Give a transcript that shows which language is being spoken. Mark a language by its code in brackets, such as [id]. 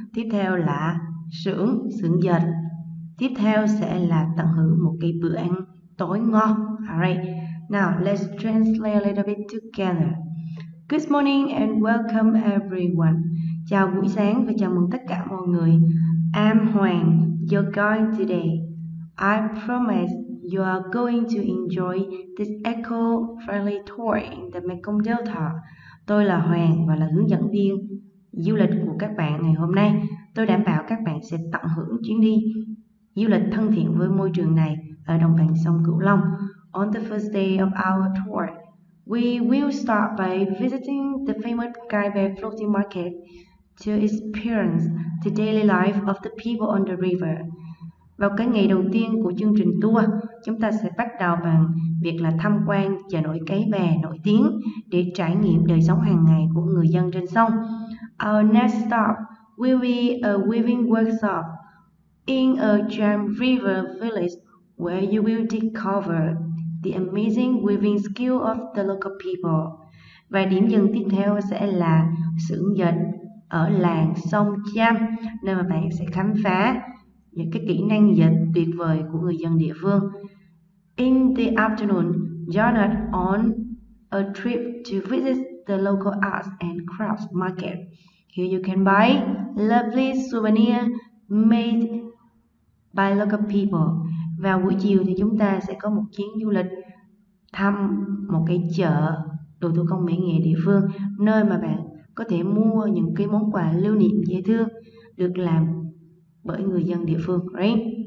[vi] Tiếp theo là xưởng dệt. Tiếp theo sẽ là tận hưởng một cái bữa ăn tối ngon. [en] Alright, now let's translate a little bit together. Good morning and welcome everyone. [vi] Chào buổi sáng và chào mừng tất cả mọi người. [en] I'm Hoàng, your guide today. I promise you are going to enjoy this eco-friendly tour in the Mekong Delta. [vi] Tôi là Hoàng và là hướng dẫn viên du lịch của các bạn ngày hôm nay. Tôi đảm bảo các bạn sẽ tận hưởng chuyến đi du lịch thân thiện với môi trường này ở đồng bằng sông Cửu Long. [en] On the first day of our tour, we will start by visiting the famous Cái Bè Floating Market to experience the daily life of the people on the river. [vi] Vào cái ngày đầu tiên của chương trình tour, chúng ta sẽ bắt đầu bằng việc là tham quan chợ nổi Cái Bè nổi tiếng để trải nghiệm đời sống hàng ngày của người dân trên sông. [en] Our next stop will be a weaving workshop in a Cham River village where you will discover the amazing weaving skill of the local people. [vi] Và điểm dừng tiếp theo sẽ là xưởng dệt ở làng sông Cham, nơi mà bạn sẽ khám phá những cái kỹ năng dệt tuyệt vời của người dân địa phương. [en] In the afternoon, join us on a trip to visit the local arts and crafts market. Here you can buy lovely souvenirs made by local people. [vi] Vào buổi chiều thì chúng ta sẽ có một chuyến du lịch thăm một cái chợ đồ thủ công mỹ nghệ địa phương, nơi mà bạn có thể mua những cái món quà lưu niệm dễ thương được làm bởi người dân địa phương, right?